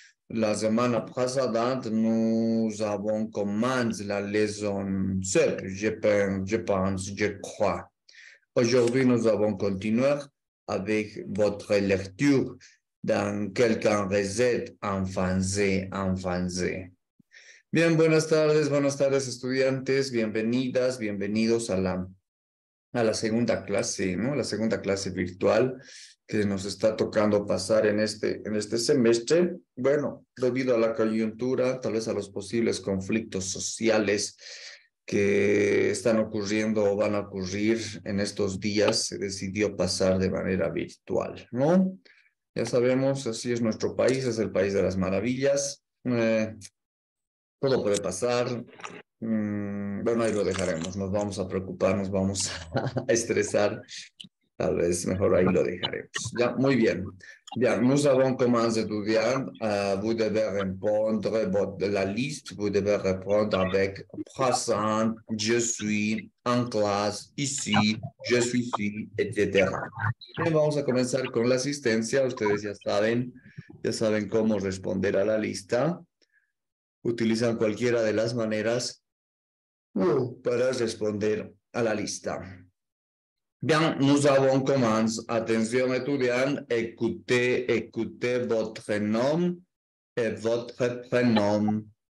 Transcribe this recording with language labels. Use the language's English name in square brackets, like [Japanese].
[French] La semaine précédente, nous avons commencé la leçon 7, je crois. Aujourd'hui, nous allons continuer avec votre lecture dans quelques recettes en français. [Spanish] Bien, buenas tardes, estudiantes, bienvenidas, bienvenidos a la segunda clase, ¿no? La segunda clase virtual que nos está tocando pasar en este semestre. Bueno, debido a la coyuntura, tal vez a los posibles conflictos sociales que están ocurriendo o van a ocurrir en estos días, se decidió pasar de manera virtual, ¿no? Ya sabemos, así es nuestro país, es el país de las maravillas. Todo puede pasar. Bueno, ahí lo dejaremos. Nos vamos a preocupar, nos vamos a estresar. Tal vez mejor ahí lo dejaremos. Ya, muy bien. [French] Ya, nous avons commencé à étudier. Vous devez répondre de la liste. Vous devez répondre avec présent, je suis en classe, ici, je suis ici, etc. [Spanish] Bien, vamos a comenzar con la asistencia. Ustedes ya saben cómo responder a la lista. Utilizan cualquiera de las maneras para responder a la lista. [French] Bien, nous avons commencé. Attention, étudiants, écoutez votre nom et votre prénom.